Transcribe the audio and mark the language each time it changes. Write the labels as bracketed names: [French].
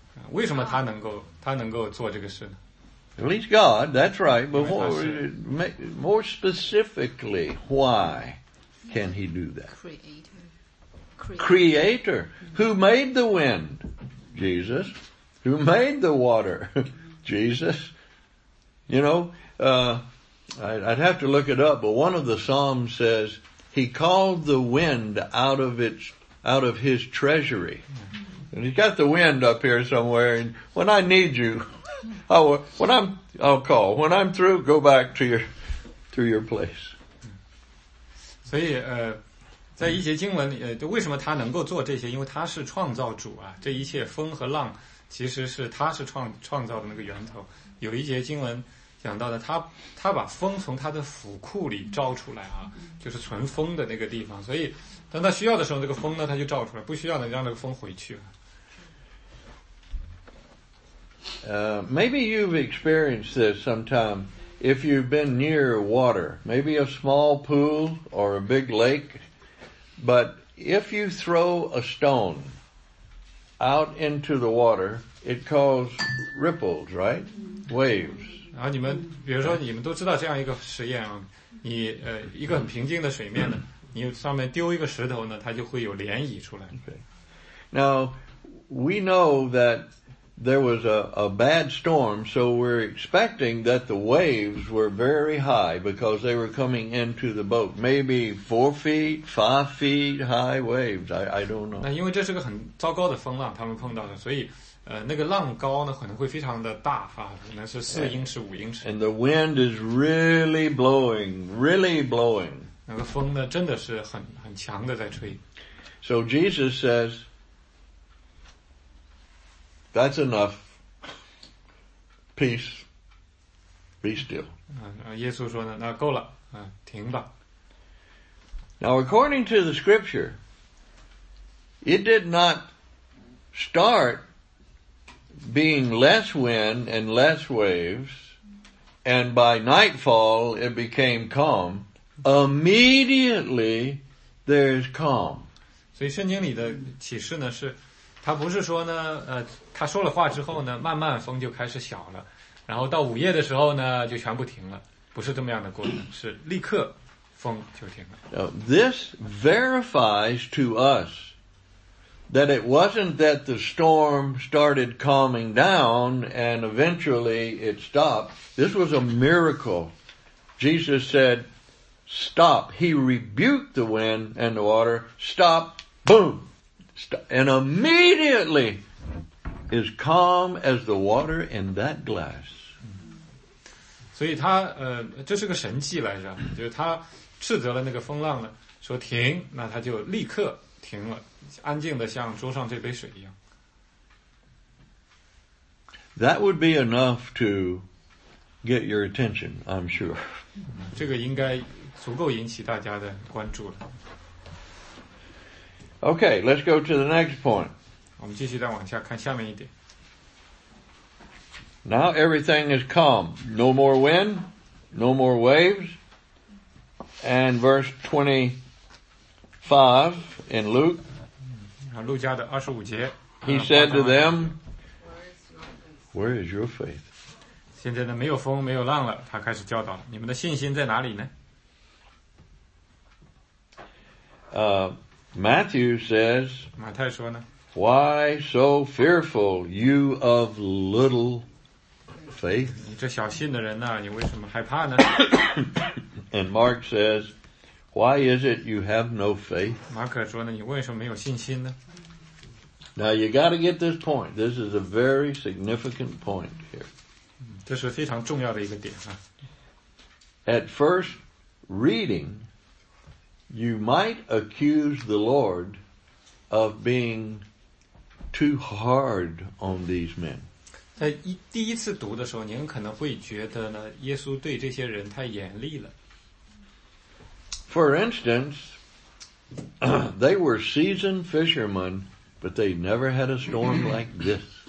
[Chinese] 为什么他能够做这个事呢? [English] At least God, that's right. But more specifically, why can he do that? Creator. Who made the wind? Jesus. Who made the water? Jesus. You know, I'd have to look it up, but one of the Psalms says, He called the wind out of His treasury. And He's got the wind up here somewhere, and when I need you, I'll call. When I'm through, go back to your place. So, yeah, [Chinese] 在一节经文里，为什么他能够做这些？因为他是创造主啊！这一切风和浪，其实是他是创造的那个源头。有一节经文讲到的，他把风从他的府库里召出来啊，就是存风的那个地方。所以，当他需要的时候，这个风呢，他就召出来；不需要呢，让这个风回去。 [English] Maybe you've experienced this sometime. If you've been near water, maybe a small pool or a big lake, but if you throw a stone out into the water, it causes ripples, right? Waves. [Chinese] 然后你们，比如说你们都知道这样一个实验啊，你一个很平静的水面呢，你上面丢一个石头呢，它就会有涟漪出来。 [English] Okay. Now, we know that there was a bad storm, so we're expecting that the waves were very high because they were coming into the boat. Maybe 4 feet, 5 feet high waves. I don't know. [Chinese] 那因为这是个很糟糕的风浪，他们碰到的，所以那个浪高呢，可能会非常的大哈，可能是4英尺、5英尺。 [English] And the wind is really blowing, really blowing. [Chinese] 那个风呢，真的是很强的在吹。 [English] So Jesus says, "That's enough. Peace. Be still." [Chinese] 耶稣说呢，那够了，停吧。 [English] Now according to the scripture, it did not start. Being less wind and less waves, and by nightfall it became calm. Immediately, there is calm. [Chinese] 所以圣经里的启示呢是，他不是说呢，他说了话之后呢，慢慢风就开始小了，然后到午夜的时候呢，就全部停了，不是这么样的过程，是立刻风就停了。 [English] Now, this verifies to us. That it wasn't that the storm started calming down and eventually it stopped. This was a miracle. Jesus said, stop. He rebuked the wind and the water. Stop. Boom. Stop. And immediately is calm as the water in that glass. [Chinese] 所以他这是个神迹来着，就是他斥责了那个风浪了，说停，那他就立刻停了。安静的像桌上这杯水一样。 [English] That would be enough to get your attention, I'm sure. [Chinese] 这个应该足够引起大家的关注了。 [English] Okay, let's go to the next point. [Chinese] 我们继续再往下看下面一点。 [English] Now everything is calm. No more wind, no more waves. And verse 25 in Luke. [Chinese] 路加的25节 [English] He said to them, Where is your faith? [Chinese] 现在呢没有风没有浪了他开始教导了你们的信心在哪里呢、 [English] Matthew says, [Chinese] 马太说呢 [English] Why so fearful, you of little faith? [Chinese] 你这小信的人呢你为什么害怕呢 [English] And Mark says,Why is it you have no faith? [Chinese] 马可说呢，你为什么没有信心呢？ [English] Now you got to get this point. This is a very significant point here. [Chinese] 这是非常重要的一个点啊。 [English] At first reading, you might accuse the Lord of being too hard on these men. [Chinese] 在第一次读的时候，您可能会觉得呢，耶稣对这些人太严厉了。 [English] For instance, they were seasoned fishermen, but they never had a storm like this.